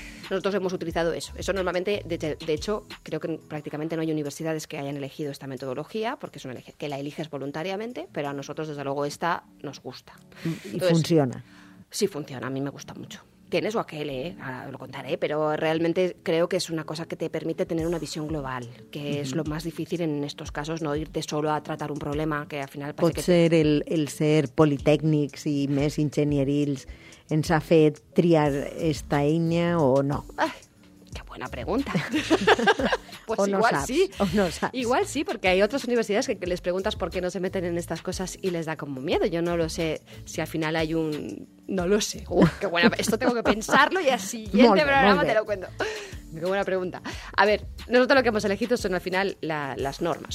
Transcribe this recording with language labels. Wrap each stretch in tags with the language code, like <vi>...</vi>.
<es>Nosotros hemos utilizado eso. Eso normalmente, de hecho, creo que prácticamente no hay universidades que hayan elegido esta metodología, porque es una que la eliges voluntariamente, pero a nosotros desde luego esta nos gusta. Entonces, ¿y funciona? Sí funciona, a mí me gusta mucho. Tienes o aquel, ahora lo contaré, pero realmente creo que es una cosa que te permite tener una visión global, que es lo más difícil en estos casos, no irte solo a tratar un problema que al final...</es> <ca>Pot ser el ser politècnics i més ingenierils ens ha fet triar esta eina o no?</ca> <es>Ay, qué buena pregunta. Pues o no igual</es> <ca>saps, sí. O no saps.</ca> <es>Igual sí, porque hay otras universidades que les preguntas por qué no se meten en estas cosas y les da como miedo. Yo no lo sé si al final hay un... No lo sé. Qué buena. Esto tengo que pensarlo y al siguiente programa te lo cuento. Qué buena pregunta. A ver, nosotros lo que hemos elegido son al final las normas.</es>